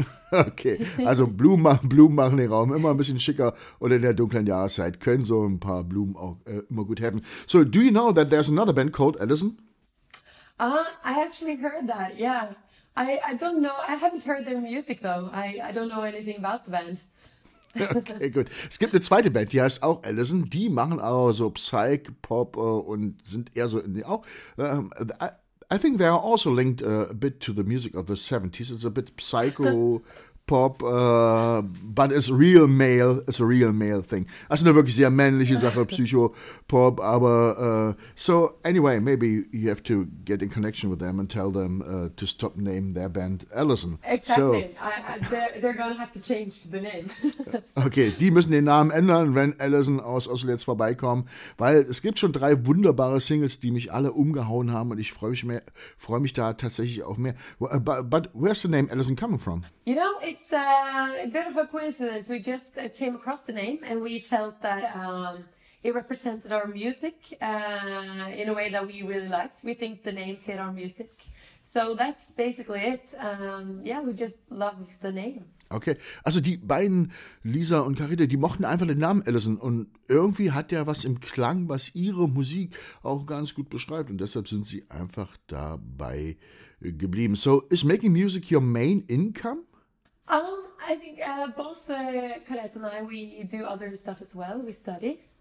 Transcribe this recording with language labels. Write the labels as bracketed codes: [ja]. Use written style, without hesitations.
[de] Okay, also Blumen machen den Raum immer ein bisschen schicker und in der dunklen Jahreszeit können so ein paar Blumen auch immer gut helfen. [en] So, do you know that there's another band called Allison? I actually heard that, yeah. I don't know. I haven't heard their music though. I don't know anything about the band. [de] Okay, gut. Es gibt eine zweite Band, die heißt auch Allison. Die machen aber so Psych, Pop und sind eher so in die auch. [en] I think they are also linked a bit to the music of the 70s. It's a bit psycho, Pop, but it's real male, it's a real male thing. [de] Also eine wirklich sehr männliche Sache, Psycho-Pop, aber so [en] anyway, maybe you have to get in connection with them and tell them to stop name their band Allison. Exactly, so, they're going to have to change the name. [de] Okay, die müssen den Namen ändern, wenn Allison aus Oslo jetzt vorbeikommen, weil es gibt schon drei wunderbare Singles, die mich alle umgehauen haben und ich freue mich da tatsächlich auch mehr. [en] But where's the name Allison coming from? You know, it's a bit of a coincidence. We just came across the name and we felt that it represented our music in a way that we really liked. We think the name fit our music. So that's basically it. We just love the name. [de] Okay, also die beiden, Lisa und Carita, die mochten einfach den Namen Allison und irgendwie hat der was im Klang, was ihre Musik auch ganz gut beschreibt und deshalb sind sie einfach dabei geblieben. [en] So, is making music your main income? I think both Carita and I, we do other stuff as well, we study.